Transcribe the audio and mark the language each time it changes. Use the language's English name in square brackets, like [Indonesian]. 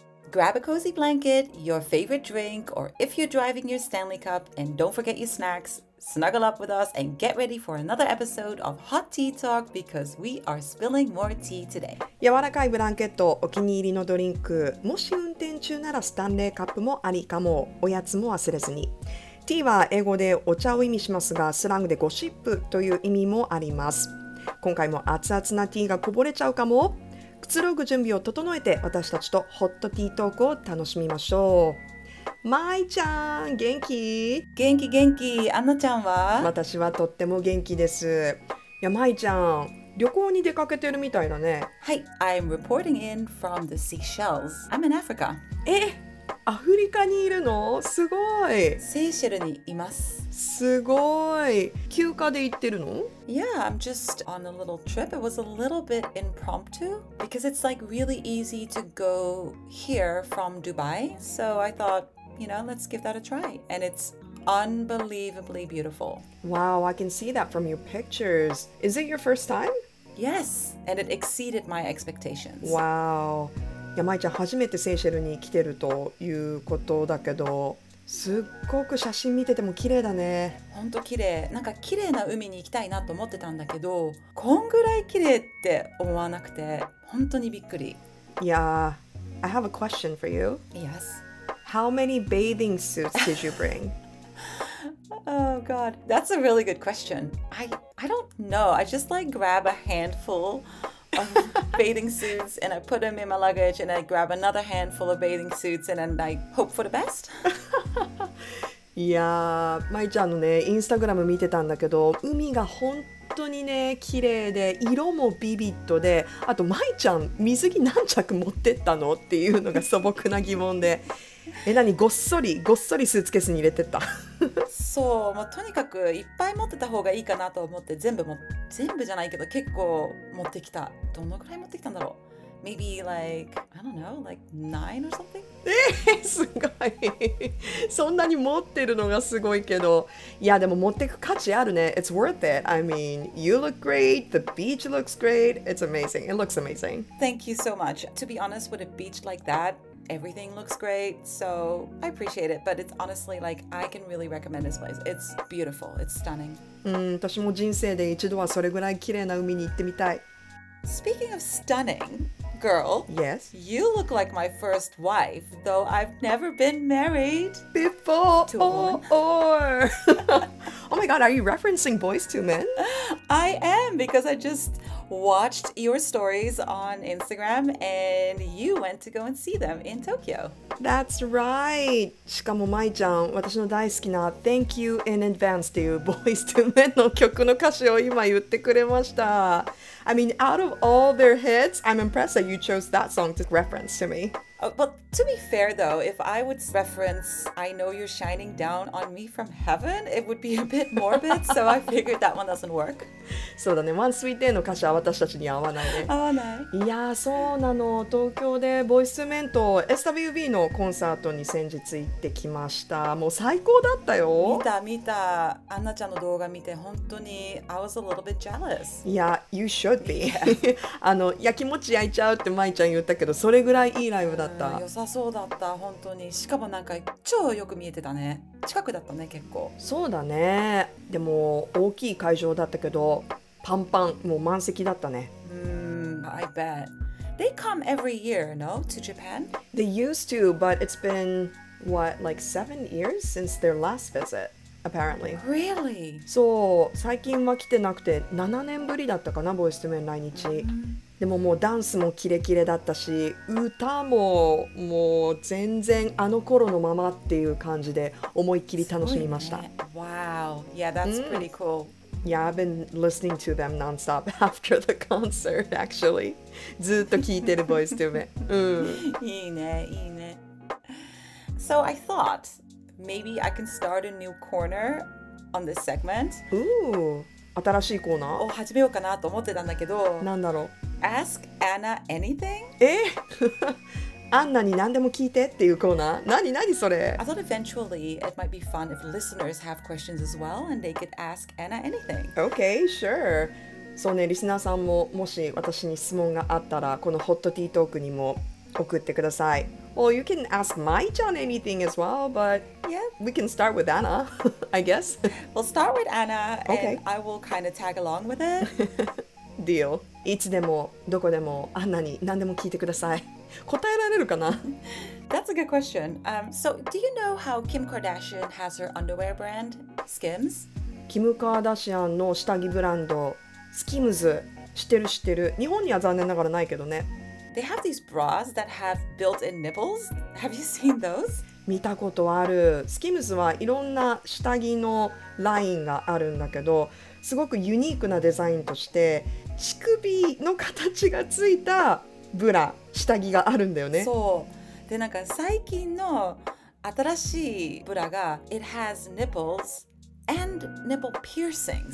[English] Grab a cozy blanket, your favorite drink, or if you're driving your Stanley Cup, and don't forget your snacks, snuggle up with us and get ready for another episode of Hot Tea Talk because we are spilling more tea today. [Japanese] 柔らかいブランケット、お気に入りのドリンク、もし運転中ならスタンレーカップもありかも、おやつも忘れずに。ティーは英語でお茶を意味しますが、スラングでゴシップという意味もあります。今回も熱々なティーがこぼれちゃうかも。くつろぐ準備を整えて私たちとホットティートークを楽しみましょう。まいちゃん、元気？元気元気。アンナちゃんは？私はとっても元気です。いや、まいちゃん、旅行に出かけてるみたいだね。 [English] はい、I'm reporting in from the Seychelles. I'm in Africa. [Japanese] え、アフリカにいるの？すごい。セーシェルにいます。すごい。休暇で行ってるの？ [English] Yeah, I'm just on a little trip. It was a little bit impromptu because it's like really easy to go here from Dubai. So I thought, you know, let's give that a try. And it's unbelievably beautiful. Wow, I can see that from your pictures. Is it your first time? Yes, and it exceeded my expectations. Wow. [Japanese] いや、まいちゃん初めてセーシェルに来てるということだけど、すっごく写真見てても綺麗だね。ほんと綺麗。なんか綺麗な海に行きたいなと思ってたんだけど、こんぐらい綺麗って思わなくて、本当にびっくり。 [English] いや、I have a question for you. Yes. How many bathing suits did you bring? Oh god, that's a really good question. I don't know. I just like grab a handful of bathing suits and I put them in my luggage and I grab another handful of bathing suits and then I hope for the best. [Japanese] いやー、まいちゃんのね、インスタグラム見てたんだけど、海が本当にね、綺麗で、色もビビッドで、あとまいちゃん、水着何着持ってったのっていうのが素朴な疑問で。え、何、ごっそりスーツケースに入れてった。そう、まあ、とにかくいっぱい持ってた方がいいかなと思って、全部じゃないけど結構持ってきた。どのくらい持ってきたんだろう。 [English] Maybe like, I don't know, like 9 or something? [Japanese] すごい。そんなに持ってるのがすごいけど。いや、でも持ってく価値あるね。 [English] It's worth it. I mean, you look great. The beach looks great. It's amazing. It looks amazing. Thank you so much. To be honest, with a beach like that, everything looks great. So I appreciate it. But it's honestly like, I can really recommend this place. It's beautiful. It's stunning. [Japanese] 私も人生で一度はそれぐらい綺麗な海に行ってみたい。 [English] Speaking of stunning, girl, yes, you look like my first wife, though I've never been married before. To a woman. Or, oh my god, are you referencing Boys to Men? I am, because I just watched your stories on Instagram and you went to go and see them in Tokyo. That's right. [Japanese] しかもまいちゃん、私の大好きな Thank You in Advance っていう Boys to Men の曲の歌詞を今言ってくれました。 [English] I mean, out of all their hits, I'm impressed that you chose that song to reference to me. But to be fair though, if I would reference I Know You're Shining Down on Me from Heaven, it would be a bit morbid, so I figured that one doesn't work. [Japanese] そうだね、One Sweet Day の歌詞は私たちに合わないね。合わない。いやー、そうなの。東京でボイスメント SWV のコンサートに先日行ってきました。もう最高だったよ。見た。アンナちゃんの動画見て本当に [English] I was a little bit jealous. いや、You should be. [Japanese] いや、気持ち焼いちゃうってまいちゃん言ったけど、それぐらいいいライブだった。良さそうだった、本当に。しかもなんか超よく見えてたね。近くだったね、結構。そうだね。でも大きい会場だったけど、パンパン、もう満席だったね。 [English] I bet. They come every year, no? To Japan? They used to, but it's been, what, like 7 years since their last visit, apparently. Really? [Japanese] そう、最近は来てなくて、7年ぶりだったかな、ボイスとメン来日。でももうダンスもキレキレだったし、歌ももう全然あの頃のままっていう感じで思いっきり楽しみました。 [English] ね、wow, yeah, that's pretty cool. Yeah, I've been listening to them nonstop after the concert, actually. [Japanese] ずっと聞いてる Boys to Men. いいね、いいね。 [English] So I thought maybe I can start a new corner on this segment. [Japanese] Ooh, 新しいコーナー？を始めようかなと思ってたんだけど。なんだろう。 [English] Ask Anna anything? [Japanese] え？アンナに何でも聞いてっていうコーナー。何何それ。 [English] I thought eventually it might be fun if listeners have questions as well and they could ask Anna anything. Okay, sure. [Japanese] そうね、リスナーさんももし私に質問があったら、このホットティートークにも送ってください。 [English] Well, you can ask Mai-chan anything as well, but yeah, we can start with Anna, I guess. We'll start with Anna, and okay. I will kind of tag along with it. Deal. [Japanese] いつでも、どこでも、アンナに何でも聞いてください。答えられるかな? [English] That's a good question. So, do you know how Kim Kardashian has her underwear brand, Skims? [Japanese] Kim Kardashian の下着ブランド、Skims、知ってる知ってる。日本には残念ながらないけどね。 [English] They have these bras that have built-in nipples. Have you seen those? [Japanese] 見たことある。 Skims はいろんな下着のラインがあるんだけど、すごくユニークなデザインとして、乳首の形がついたブラ、下着があるんだよね。そう。で、なんか最近の新しいブラが、 [English] It has nipples and nipple piercings.